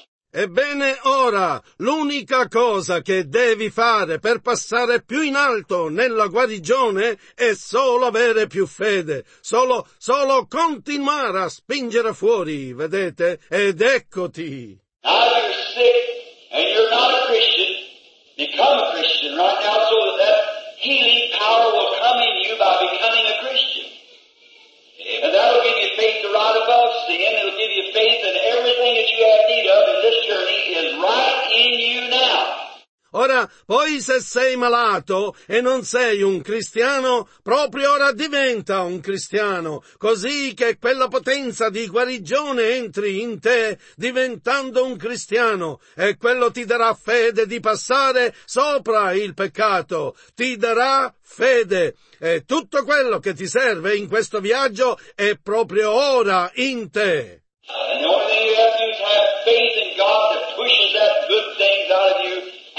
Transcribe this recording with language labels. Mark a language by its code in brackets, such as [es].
[it] Ebbene, ora, l'unica cosa che devi fare per passare più in alto nella guarigione è solo avere più fede, solo continuare a spingere fuori, vedete? Ed eccoti! [en] Now you're sick and you're not a Christian, become a Christian right now so that healing power will come in you by becoming a Christian. And that'll give you faith to ride above sin. It'll give you faith that everything that you have need of in this journey is right in you now. [it] Ora, poi se sei malato e non sei un cristiano, proprio ora diventa un cristiano, così che quella potenza di guarigione entri in te diventando un cristiano, e quello ti darà fede di passare sopra il peccato, ti darà fede, e tutto quello che ti serve in questo viaggio è proprio ora in te. [en] And the only thing you have to do is have faith in God that pushes that good thing out of you.